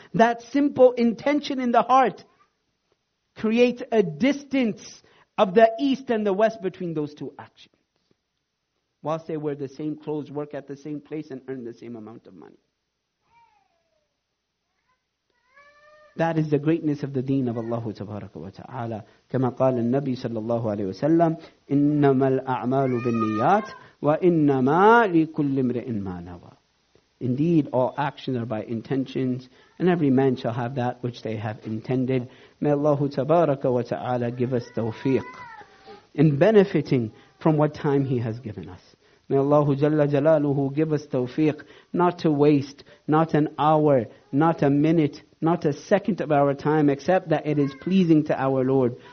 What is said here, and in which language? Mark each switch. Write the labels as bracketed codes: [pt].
[en] That simple intention in the heart creates a distance of the east and the west between those two actions. Whilst they wear the same clothes, work at the same place, and earn the same amount of money. That is the greatness of the deen of Allah Tabaraka wa Ta'ala. [ar] كما قال النبي صلى الله عليه وسلم, إنما الأعمال بالنيات وإنما لكل امرئ ما نوى. [en] Indeed, all actions are by intentions, and every man shall have that which they have intended. May Allah Tabaraka wa Ta'ala give us tawfiq in benefiting from what time He has given us. May Allah Jalla Jalaluhu give us tawfiq not to waste not an hour, not a minute, not a second of our time, except that it is pleasing to our Lord.